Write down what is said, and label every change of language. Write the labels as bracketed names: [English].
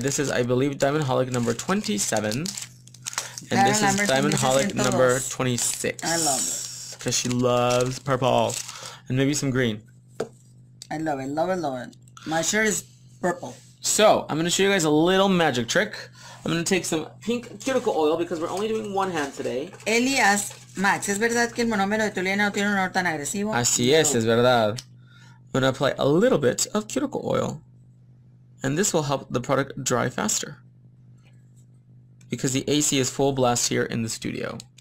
[English] This is, I believe, Diamond Holic number 27. And this is Diamond Holic number 26. I love it. Because she loves purple. And maybe some green. I love it, love it, love it. My shirt is purple. So, I'm going to show you guys a little magic trick. I'm going to take some pink cuticle oil because we're only doing one hand today. Elias [Spanish] Max, ¿es verdad que el monómero de tu línea no tiene un olor tan agresivo? Así es, es verdad. [English] I'm going to apply a little bit of cuticle oil. And this will help the product dry faster. Because the AC is full blast here in the studio.